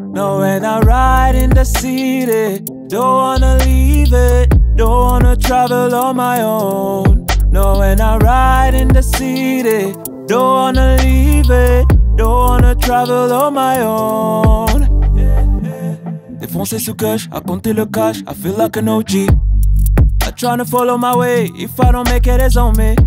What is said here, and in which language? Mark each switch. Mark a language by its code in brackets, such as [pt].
[en] No, and I ride in the city. Don't wanna leave it. Don't wanna travel on my own. No, and I ride in the city. Don't wanna leave it. Don't wanna travel on my own. [fr] Défoncer sous cash, à compter le cash. [en] I feel like an OG. Tryna follow my way, if I don't make it, it's on me.